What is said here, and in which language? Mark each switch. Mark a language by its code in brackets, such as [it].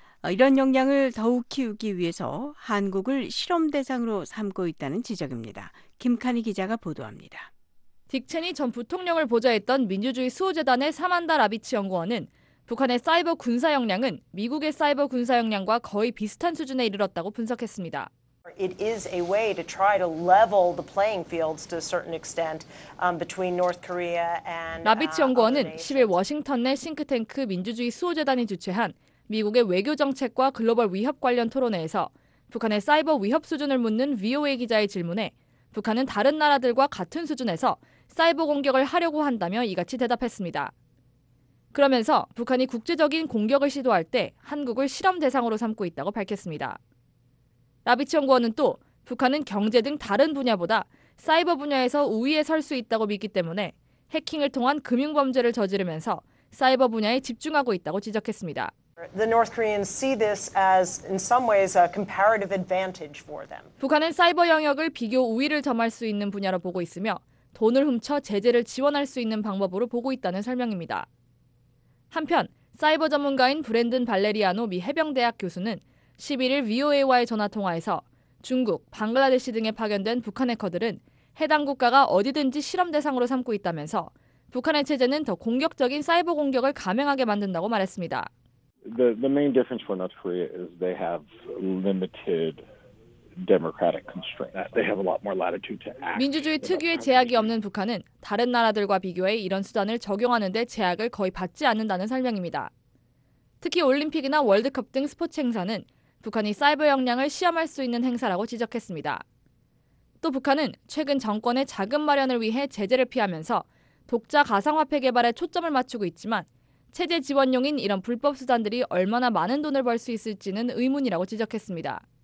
[ko] 이런 역량을 더욱 키우기 위해서 한국을 실험 대상으로 삼고 있다는 지적입니다. 김카니 기자가 보도합니다. 딕 체니 전 부통령을 보좌했던 민주주의 수호재단의 사만다 라비치 연구원은 북한의 사이버 군사 역량은 미국의 사이버 군사 역량과 거의 비슷한 수준에 이르렀다고 분석했습니다. [en] It is a way to try to level the playing fields to a certain extent between North Korea and [ko] 라비치 연구원은 10일 워싱턴 내 싱크탱크 민주주의 수호재단이 주최한 미국의 외교 정책과 글로벌 위협 관련 토론회에서 북한의 사이버 위협 수준을 묻는 VOA 기자의 질문에 북한은 다른 나라들과 같은 수준에서 사이버 공격을 하려고 한다며 이같이 대답했습니다. 그러면서 북한이 국제적인 공격을 시도할 때 한국을 실험 대상으로 삼고 있다고 밝혔습니다. 라비치 연구원은 또 북한은 경제 등 다른 분야보다 사이버 분야에서 우위에 설 수 있다고 믿기 때문에 해킹을 통한 금융 범죄를 저지르면서 사이버 분야에 집중하고 있다고 지적했습니다. [en] The North Koreans see this as in some ways a comparative advantage for them. [ko] 북한은 사이버 영역을 비교 우위를 점할 수 있는 분야로 보고 있으며 돈을 훔쳐 제재를 지원할 수 있는 방법으로 보고 있다는 설명입니다. 한편 사이버 전문가인 브랜든 발레리아노 미 해병대학 교수는 11일 VOA와의 전화통화에서 중국, 방글라데시 등에 파견된 북한 해커들은 해당 국가가 어디든지 실험 대상으로 삼고 있다면서 북한의 체제는 더 공격적인 사이버 공격을 감행하게 만든다고 말했습니다. [en] The main difference for North Korea is they have limited democratic constraints. They have a lot more latitude to act. [ko] 민주주의 특유의 제약이 없는 북한은 다른 나라들과 비교해 이런 수단을 적용하는데 제약을 거의 받지 않는다는 설명입니다. 특히 올림픽이나 월드컵 등 스포츠 행사는 북한이 사이버 역량을 시험할 수 있는 행사라고 지적했습니다. 또 북한은 최근 정권의 자금 마련을 위해 제재를 피하면서 독자 가상화폐 개발에 초점을 맞추고 있지만 체제 지원용인 이런 불법 수단들이 얼마나 많은 돈을 벌 수 있을지는 의문이라고 지적했습니다.